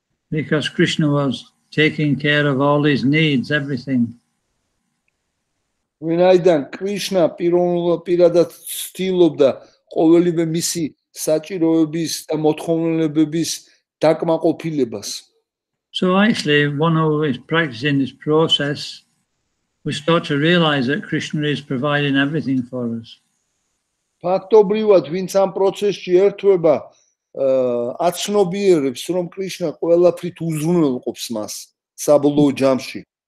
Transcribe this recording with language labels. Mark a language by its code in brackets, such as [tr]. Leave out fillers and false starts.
[en] Because Krishna was taking care of all his needs, everything. [ka] ვინაიდან კრიშნა პირადად ცდილობდა ყოველივე მისი საჭიროების და მოთხოვნილებების დაკმაყოფილებას. [en] So actually, one who is practicing this process, we start to realize that Krishna is providing everything for us. [ka] ფაქტობრივად, ვინც ამ პროცესში ერთვება, აცნობიერებს, რომ კრიშნა ყველაფრით უზრუნველყოფს მას საბოლოო ჯამში.